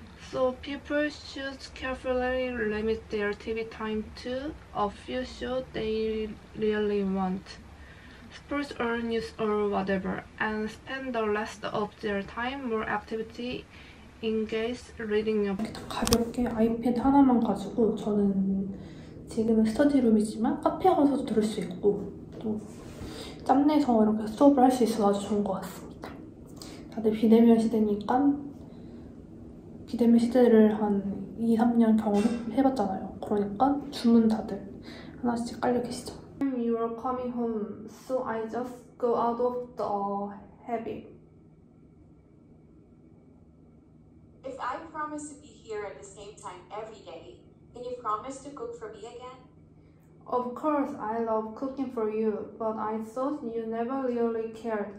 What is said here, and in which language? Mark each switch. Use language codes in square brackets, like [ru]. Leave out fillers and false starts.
[en] So people should carefully limit their TV time to a few shows they really want, sports or news or whatever, and spend the rest of their time more activity engaged reading a book. [ko] 가볍게 아이패드 하나만 가지고 저는 지금은 스터디 룸이지만 카페 가서도 들을 수 있고 또 짬내서 이렇게 수업을 할 수 있어서 아주 좋은 것 같습니다. 다들 비대면 시대니까 비대면 시대를 한 2, 3년 경험해봤잖아요. 그러니까 주문 다들 하나씩 깔려 계시죠. [en] You are coming home, so I just go out of the habit. If I promise to be here at the same time every day, can you promise to cook for me again? Of course, I love cooking for you, but I thought you never really cared.